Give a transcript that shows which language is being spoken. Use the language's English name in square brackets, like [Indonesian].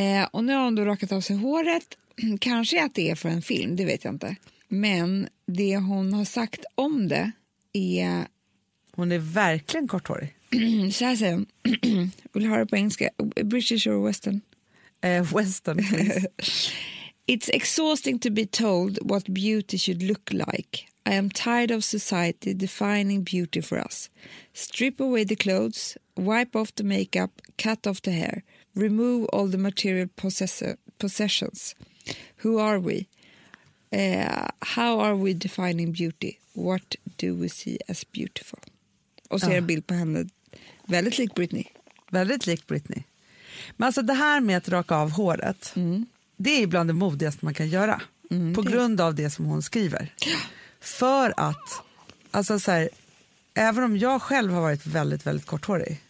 [Swedish] Och nu har hon då rakat av sig håret. Kanske att det är för en film, det vet jag inte. Men det hon har sagt om det är... Hon är verkligen korthårig. Så här säger hon. Vill du höra på engelska? [English] British or Western? Western, please. It's exhausting to be told what beauty should look like. I am tired of society defining beauty for us. Strip away the clothes, wipe off the makeup, cut off the hair, remove all the material possessions. Who are we? How are we defining beauty? What do we see as beautiful? [Swedish] Och så är en bild på henne. Väldigt lik Britney. Väldigt lik Britney. Men alltså det här med att raka av håret, det är ibland det modigaste man kan göra. Mm, på grund av det som hon skriver. Ja. För att, alltså så här, även om jag själv har varit väldigt, väldigt korthårig.